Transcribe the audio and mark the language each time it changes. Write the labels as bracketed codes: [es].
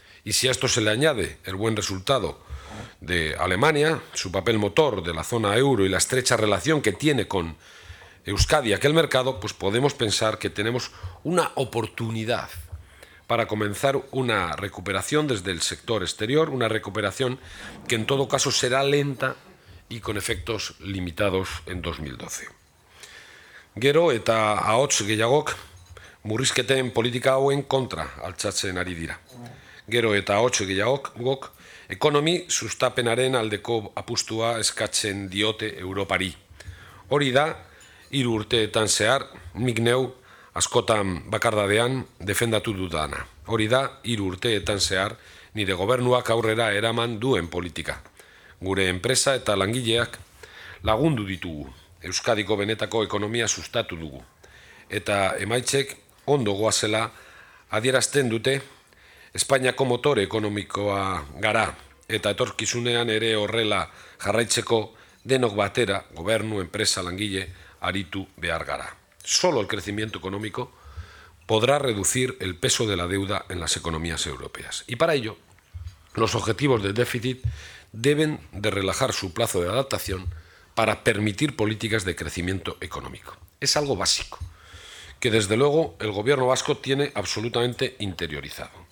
[es] Y si a esto se le añade el buen resultado de Alemania, su papel motor de la zona euro y la estrecha relación que tiene con Euskadi y aquel mercado, pues podemos pensar que tenemos una oportunidad para comenzar una recuperación desde el sector exterior, una recuperación que en todo caso será lenta y con efectos limitados en 2012. [eu] Gero eta ahots gehiagok murrizketen politika hauen kontra altxatzen ari dira. Gero eta ahots gehiagok ekonomi sustapenaren aldeko apustua eskatzen diote Europari. Hori da, hiru urteetan zehar, nik neu askotan bakardadean defendatu dudana. Hori da, hiru urteetan zehar, nire gobernuak aurrera eraman duen politika. Gure enpresa eta langileak lagundu ditugu, Euskadiko benetako ekonomia sustatu dugu. Eta emaitzek ondo goazela adierazten dute, Espainiako motore ekonomikoa gara, eta etorkizunean ere horrela jarraitzeko denok batera, gobernu, enpresa, langile, aritu behar gara. [es] Solo el crecimiento económico podrá reducir el peso de la deuda en las economías europeas. Y para ello, los objetivos de déficit deben de relajar su plazo de adaptación para permitir políticas de crecimiento económico. Es algo básico, que desde luego el gobierno vasco tiene absolutamente interiorizado.